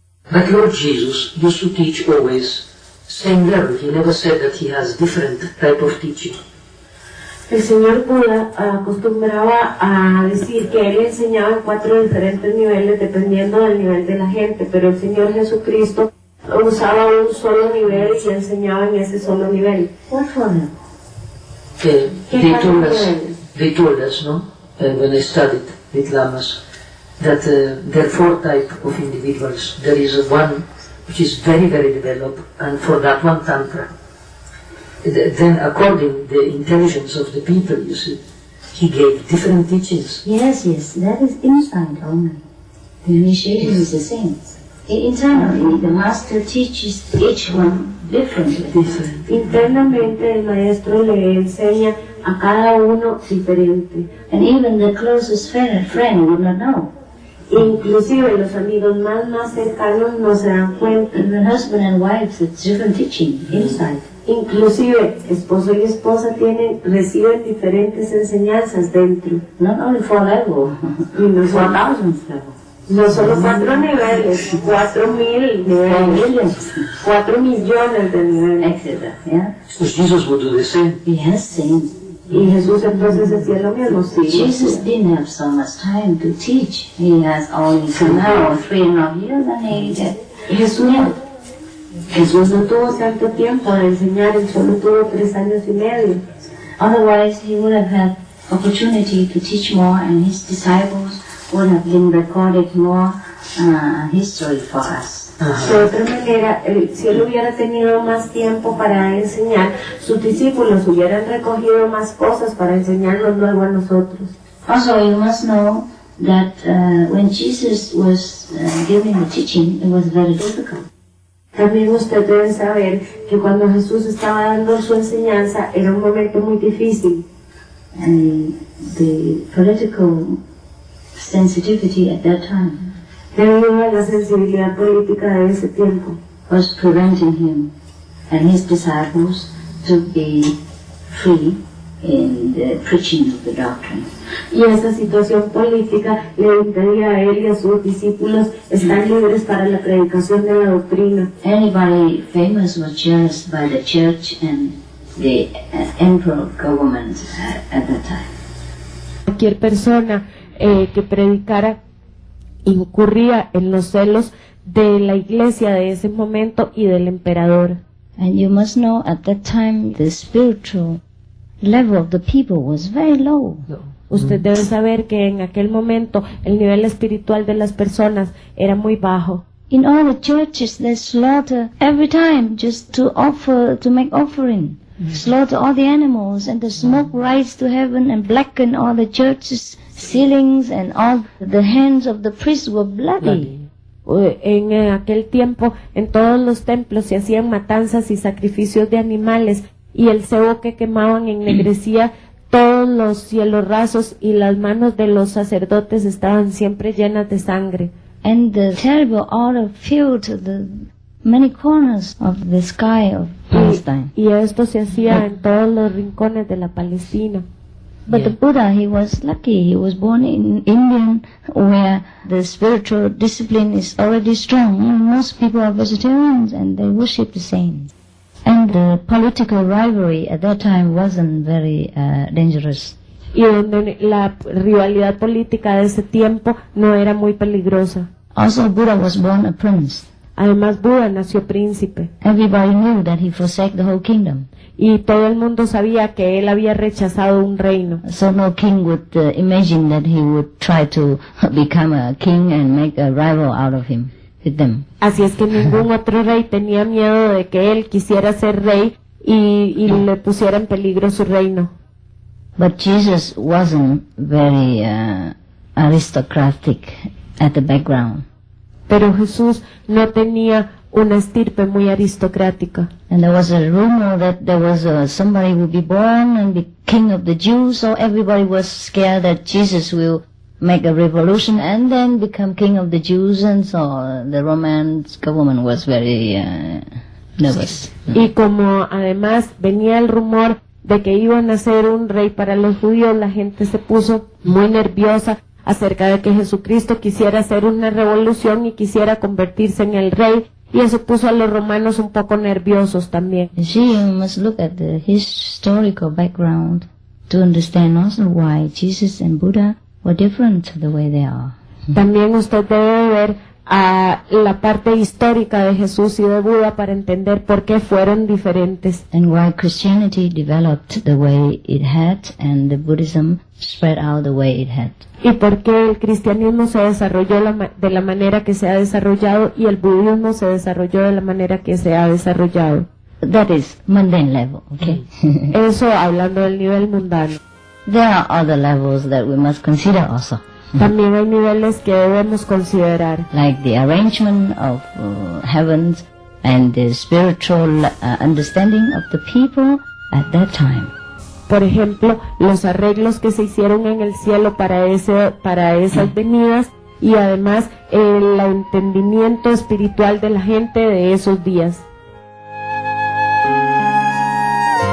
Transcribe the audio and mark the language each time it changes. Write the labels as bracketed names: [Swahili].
[English] Like Lord Jesus used to teach always same level. He never said that he has different type of teaching. [Spanish] El Señor Buda acostumbraba a decir que él enseñaba en cuatro diferentes niveles dependiendo del nivel de la gente, pero el Señor Jesucristo usaba un solo nivel y enseñaba en ese solo nivel. ¿Cuál fue? [English] They told us, no? When I studied with lamas, that there are four types of individuals. There is one which is very, very developed, and for that one, tantra. Then according to the intelligence of the people, you see, he gave different teachings. Yes, yes, that is inside only. The initiation is the same. Internally, the master teaches each one differently. [Spanish] Internamente, el maestro le enseña a cada uno diferente. [English] And even the closest friend will not know. [Spanish] Inclusive los amigos más cercanos no se dan cuenta. [English] And the husband and wife, it's different teaching inside. [Spanish] Inclusive, esposo y esposa reciben diferentes enseñanzas dentro. [English] Not only four levels, [Spanish] no solo [English] 4,000 levels. [Spanish] No solo 4 niveles, 4,000 niveles, 4 millones de niveles. Exacto, [English] ¿sí? Jesús would do the same. Yes, same. [Spanish] Y Jesús entonces decía lo mismo, sí. [English] Jesus didn't have so much time to teach. He has only 3.5 years and he did. [Spanish] Jesús no tuvo tanto tiempo de enseñar, él solo tuvo 3 años y medio. [English] Otherwise he would have had opportunity to teach more and his disciples would have been recorded more history for us. [Spanish] De otra manera, si él hubiera tenido más tiempo para enseñar, sus discípulos hubieran recogido más cosas para enseñarnos luego a nosotros. [English] Also, you must know that when Jesus was giving the teaching, it was very difficult. [Spanish] También usted debe saber que cuando Jesús estaba dando su enseñanza, era un momento muy difícil. [English] And the political sensitivity at that time. [Spanish] Debido a la sensibilidad política de ese tiempo, [English] was preventing him and his disciples to be free in the preaching of the doctrine. [Spanish] Y esa situación política le impedía a él y a sus discípulos estar libres para la predicación de la doctrina. [English] Anybody famous was judged by the church and the emperor government at that time. [Spanish] Cualquier persona que predicara incurría en los celos de la iglesia de ese momento y del emperador. [English] And you must know at that time the spiritual level of the people was very low. [Spanish] Usted debe saber que en aquel momento el nivel espiritual de las personas era muy bajo. [English] In all the churches they slaughter every time just to offer, to make offering. Slaughter all the animals and the smoke rise to heaven and blacken all the churches. Ceilings and all the hands of the priests were bloody. [Spanish] En aquel tiempo, en todos los templos se hacían matanzas y sacrificios de animales, y el cebo que quemaban ennegrecía todos los cielos rasos, y las manos de los sacerdotes estaban siempre llenas de sangre. [English] And the terrible odor filled the many corners of the sky of Palestine. [Spanish] Y esto se hacía en todos los rincones de la Palestina. [English] But the Buddha, he was lucky. He was born in India, where the spiritual discipline is already strong. You know, most people are vegetarians and they worship the saints. And the political rivalry at that time wasn't very dangerous. [Spanish] Y donde la rivalidad política de ese tiempo no era muy peligrosa. [English] Also, Buddha was born a prince. [Spanish] Además, Buda nació príncipe. [English] Everybody knew that he forsake the whole kingdom. [Spanish] Y todo el mundo sabía que él había rechazado un reino. [English] So no king would imagine that he would try to become a king and make a rival out of him with them. [Spanish] Así es que ningún otro rey tenía miedo de que él quisiera ser rey y le pusiera en peligro su reino. [English] But Jesus wasn't very aristocratic at the background. [Spanish] Pero Jesús no tenía una estirpe muy aristocrática. [English] And there was a rumor that there was somebody would be born and be king of the Jews, so everybody was scared that Jesus will make a revolution and then become king of the Jews, and so the Roman government was very nervous. [Spanish] Y como además venía el rumor de que iban a ser un rey para los judíos, la gente se puso muy nerviosa acerca de que Jesucristo quisiera hacer una revolución y quisiera convertirse en el rey, y eso puso a los romanos un poco nerviosos también. [English] Sí, you must look at the historical background to understand also why Jesus and Buddha were different the way they are. [Spanish] También usted debe ver a la parte histórica de Jesús y de Buda para entender por qué fueron diferentes. [English] And why Christianity developed the way it had and the Buddhism spread out the way it had. [Spanish] Y por qué el cristianismo se desarrolló de la manera que se ha desarrollado y el budismo se desarrolló de la manera que se ha desarrollado. [English] That is mundane level, okay? [Spanish] Eso hablando del nivel mundano. [English] There are other levels that we must consider also. [Spanish] También hay niveles que debemos considerar. [English] Like the arrangement of heavens and the spiritual understanding of the people at that time. [Spanish] Por ejemplo, los arreglos que se hicieron en el cielo para esas venidas y además el entendimiento espiritual de la gente de esos días. [English] Thank you.